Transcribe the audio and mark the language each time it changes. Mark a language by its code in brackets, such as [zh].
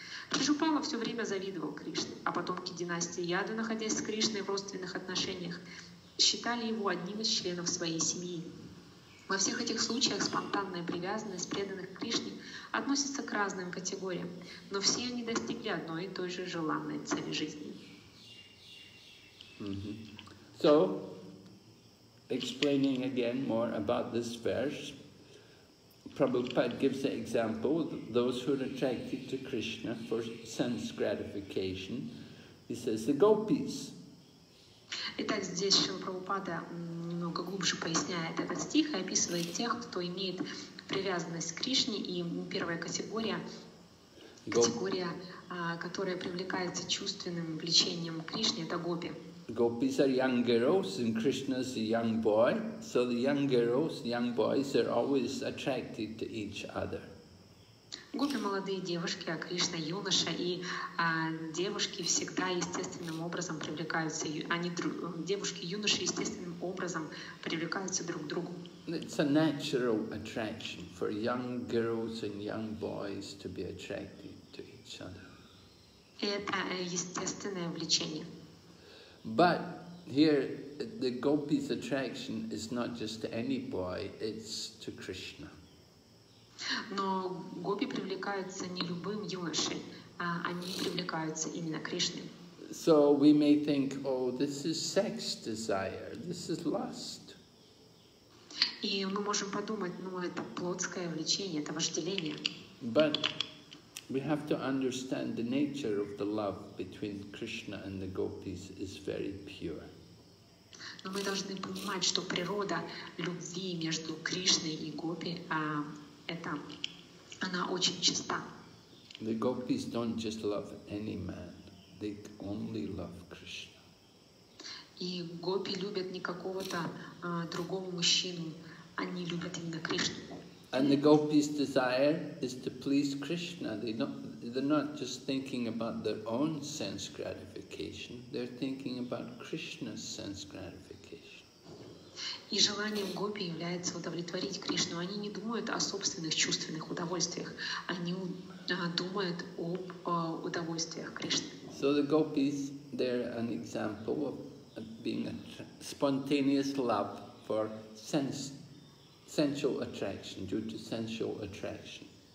[ru] Шишупала все время завидовал Кришне, а потомки династии Яду, находясь с Кришной в родственных отношениях, считали его одним из членов своей семьи. Во всех этих случаях спонтанная привязанность преданных Кришне относится к разным категориям, но все они достигли одной и той же желанной цели жизни. Mm-hmm. [en] So, explaining again more about this verse, Prabhupada gives the example that those who are attracted to Krishna for sense gratification, he says the gopis. [ru] Итак, здесь Шрила Прабхупада немного глубже поясняет этот стих и описывает тех, кто имеет привязанность к Кришне, и первая категория, категория, которая привлекается чувственным влечением к Кришне, это гопи. [en] Gopis are young girls and Krishna is a young boy, so the young girls, young boys are always attracted to each other. [ru] Гопи — молодые девушки, а Кришна — юноша, и девушки всегда естественным образом привлекаются, девушки и юноши естественным образом привлекаются друг к другу. [en] It's a natural attraction for young girls and young boys to be attracted to each other. [ru] Это естественное влечение. [en] But here, the gopi's attraction is not just to any boy, it's to Krishna. [ru] Но гопи привлекаются не любым юношей, а они привлекаются именно Кришне. [en] So we may think, oh, this is sex desire, this is lust. [ru] И мы можем подумать, ну это плотское влечение, это вожделение. [en] But we have to understand the nature of the love between Krishna and the gopis is very pure. [ru] Но мы должны понимать, что природа любви между Кришной и гопи, она очень чиста. [en] The gopis don't just love any man, they only love Krishna. [ru] И гопи любят не какого-то другого мужчину, они любят именно Кришну. [en] And the gopis' desire is to please Krishna. They're not just thinking about their own sense gratification, they're thinking about Krishna's sense gratification. [ru] И желанием гопи является удовлетворить Кришну. Они не думают о собственных чувственных удовольствиях, они думают об удовольствиях Кришны. [en] So the gopis, they're an example of being a spontaneous love for sensual attraction, due to sensual attraction.